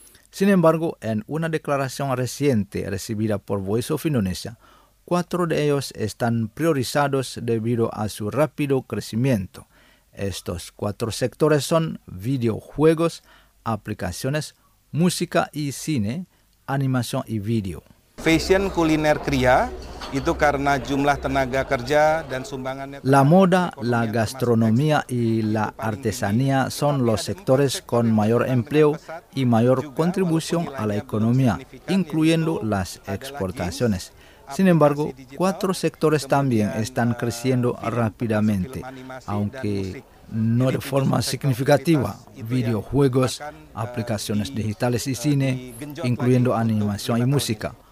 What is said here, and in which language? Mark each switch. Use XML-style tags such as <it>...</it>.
<es>Sin embargo, en una declaración reciente recibida por Voice of Indonesia, 4 de ellos están priorizados debido a su rápido crecimiento. Estos 4 sectores son videojuegos, aplicaciones, música y cine, animación y video.</es> <id>Fashion, kuliner, kriya, Itu karena jumlah tenaga kerja dan sumbangannya.</id> <es>La moda, la gastronomía y la artesanía son los sectores con mayor empleo y mayor contribución a la economía, incluyendo las exportaciones. Sin embargo, cuatro sectores también están creciendo rápidamente, aunque no de forma significativa: videojuegos, aplicaciones digitales y cine, incluyendo animación y música.</es>